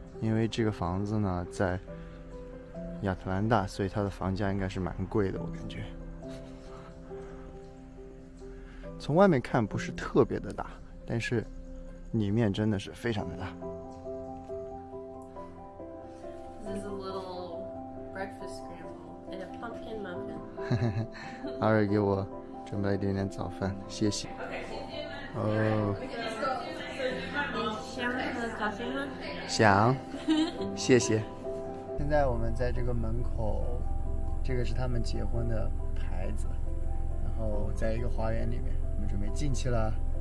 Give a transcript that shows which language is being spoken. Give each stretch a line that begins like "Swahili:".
Chinese: 因为这个房子呢在亚特兰大，所以它的房价应该是蛮贵的，我感觉。从外面看不是特别的大，但是里面真的是非常的大。
English: This is a little breakfast scramble and a pumpkin muffin.
Chinese: 阿瑞给我准备了一点点早饭，谢谢。哦。你想喝咖啡吗？想。谢谢。现在我们在这个门口，这个是他们结婚的牌子，然后在一个花园里面，我们准备进去了。